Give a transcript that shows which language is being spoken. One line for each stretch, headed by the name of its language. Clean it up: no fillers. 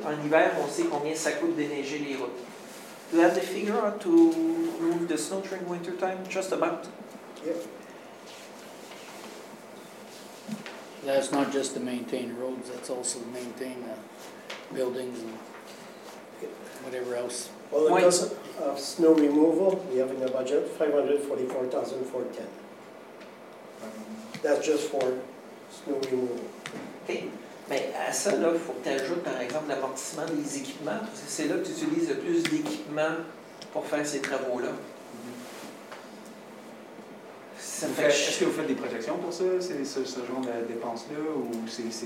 French: En hiver, on sait combien ça coûte d'énerger les routes.
English: Do you have the figure to move the snow during winter time? Just about. Yeah. That's not just to maintain roads, that's also to maintain buildings and whatever else. Well, in terms of snow removal, we have in the budget $544,410. That's just for snow removal. OK.
French: Mais à ça, il faut que tu ajoutes, par exemple, l'amortissement des équipements, parce que c'est là que tu utilises le plus d'équipements pour faire ces travaux-là. Est-ce que vous faites des projections pour ça, ce genre de dépenses-là, ou c'est